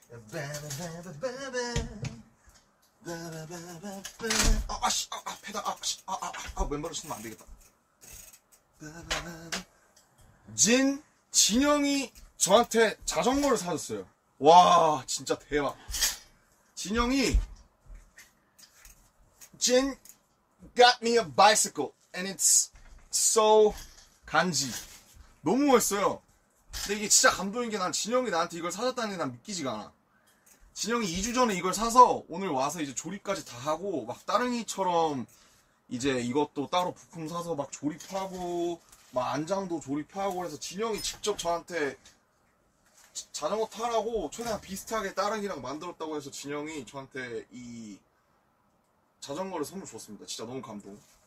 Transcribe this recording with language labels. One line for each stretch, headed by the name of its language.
Korean: 빠바바바바. 아씨, 패다, 아씨, 멤버를 신으면 안 되겠다. 진영이 저한테 자전거를 사줬어요. 와, 진짜 대박.
English: 진 got me a bicycle and it's so 간지.
Korean: 너무 멋있어요. 근데 이게 진짜 감동인 게난 진영이 나한테 이걸 사줬다는 게난 믿기지가 않아. 진영이 2주 전에 이걸 사서 오늘 와서 이제 조립까지 다 하고 막 따릉이처럼 이제 이것도 따로 부품 사서 막 조립하고 막 안장도 조립하고 그래서 진영이 직접 저한테 자전거 타라고 최대한 비슷하게 따릉이랑 만들었다고 해서 진영이 저한테 이 자전거를 선물 줬습니다. 진짜 너무 감동.